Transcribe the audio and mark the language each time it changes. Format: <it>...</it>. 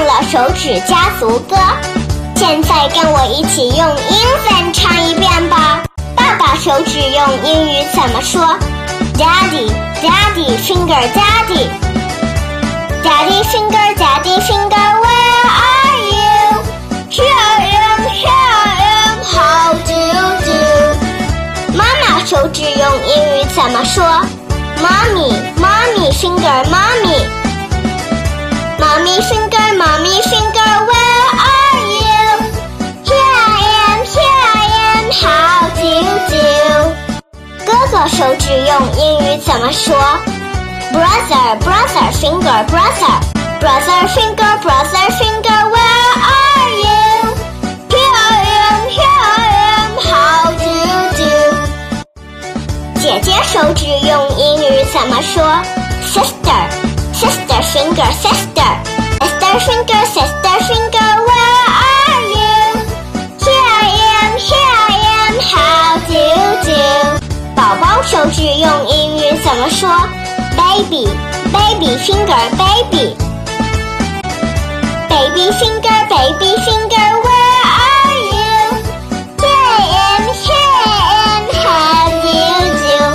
<zh>手指家族歌，现在跟我一起用英文唱一遍吧。爸爸手指用英语怎么说？</zh> <en>Daddy, daddy finger, daddy. Daddy finger, daddy finger, where are you? Here I am, here I am, how do you do?</en> <zh>妈妈手指用英语怎么说？</zh> <en>Mommy, mommy finger, mommy. Mommy finger, mommy finger, where are you? Here I am, here I am, how do you do?</en> <zh>哥哥手指用英语怎么说？</zh> <en>Brother, brother finger, brother. Brother finger, brother finger, where are you? Here I am, here I am, how do you do?</en> <zh>姐姐手指用英语怎么说？</zh> <en>Sister. Sister finger, sister. Sister finger, sister finger, where are you? Here I am, here I am, how do you do?</en> <zh>宝宝手指用英语怎么说？</zh> <en>Baby, baby finger, baby. Baby finger, baby finger, where are you? Here I am, here I am, how do you do?</en>